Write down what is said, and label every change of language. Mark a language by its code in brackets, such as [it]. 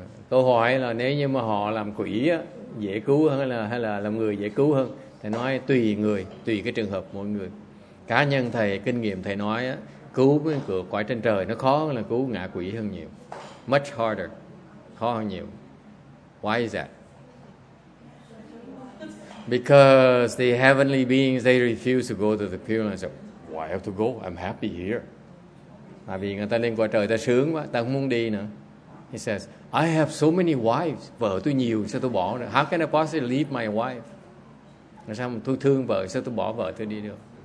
[vi] Câu hỏi là nếu như mà họ làm quỷ á, dễ cứu hơn hay là làm người dễ cứu hơn? Thầy nói tùy người, tùy cái trường hợp mỗi người. Cá nhân thầy, kinh nghiệm thầy nói á, cứu cái cửa quái trên trời nó khó hơn là cứu ngạ quỷ hơn nhiều. [en] Much harder, [vi] khó hơn nhiều. [en] Why is that? Because the heavenly beings, they refuse to go to the Pure Land. Say, why have to go? I'm happy here. [vi] Mà vì người ta lên quả trời, ta sướng quá, ta không muốn đi nữa. [en] He says, I have so many wives. [vi] Vợ tôi nhiều, sao tôi bỏ nữa? [en] How can I possibly leave my wife? [vi] Nói sao mà tôi thương vợ, sao tôi bỏ vợ tôi đi được?